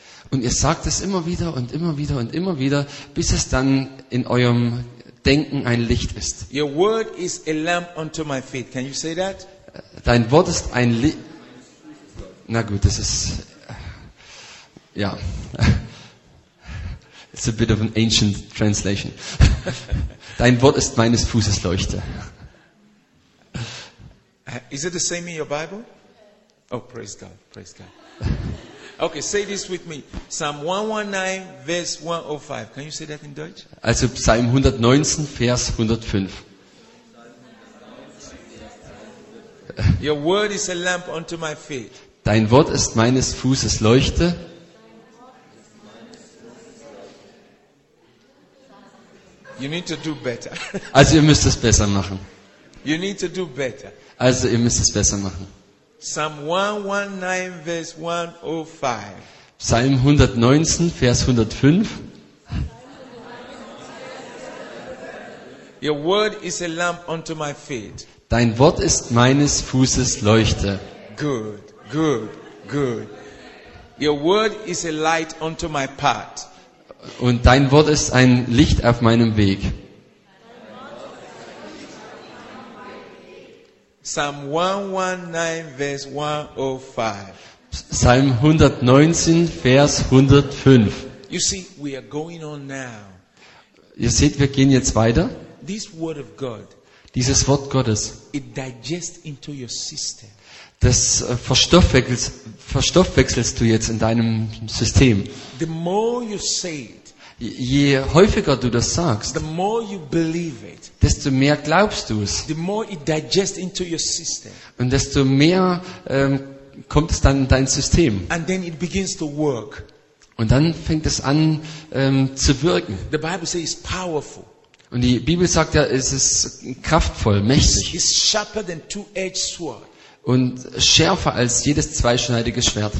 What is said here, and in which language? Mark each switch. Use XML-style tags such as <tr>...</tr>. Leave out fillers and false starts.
<de>Und ihr sagt es immer wieder und immer wieder und immer wieder, bis es dann in eurem Denken ein Licht ist.</de> <en>Your word is a lamp unto my feet. Can you say that?</en> <de>Dein Wort ist ein Licht. Na gut, das ist ja.</de> <en>It's a bit of an ancient translation.</en> <de>Dein Wort ist meines Fußes Leuchte.</de> <en>Is it the same in your Bible? Oh, praise God, praise God. Okay, say this with me. Psalm 119, verse 105. Can you say that in Deutsch?</en> <de>Also Psalm 119, Vers 105.</de> <en>Your word is a lamp unto my feet.</en> <de>Dein Wort ist meines Fußes Leuchte.</de> <en>You need to do better.</en> <de>Also ihr müsst es besser machen.</de> <en>You need to do better.</en> <de>Also ihr müsst es besser machen. Psalm 119, Vers 105. Psalm 119, Vers 105.</de> <en>Your word is a lamp unto my feet.</en> <de>Dein Wort ist meines Fußes Leuchte.</de> <en>Good, good, good. Your word is a light unto my path.</en> <de>Und dein Wort ist ein Licht auf meinem Weg. Psalm 119, Vers 105. Psalm 119, Vers 105.</de> <en>You see, we are going on now.</en> <de>Ihr seht, wir gehen jetzt weiter.</de> <en>This word of God,</en> <de>dieses Wort Gottes,</de> <en>it digests into your system.</en> <de>Das verstoffwechselst du jetzt in deinem System.</de> <en>The more you say it,</en> <de>je häufiger du das sagst,</de> <en>the more you believe it,</en> <de>desto mehr glaubst du es.</de> <en>The more it digests into your system.</en> <de>Und desto mehr kommt es dann in dein System.</de> <en>And then it begins to work.</en> <de>Und dann fängt es an zu wirken.</de> <en>The Bible says it's powerful.</en> <de>Und die Bibel sagt ja, es ist kraftvoll, mächtig.</de> <en>It's sharper than two-edged sword.</en> <de>Und schärfer als jedes zweischneidige Schwert.</de>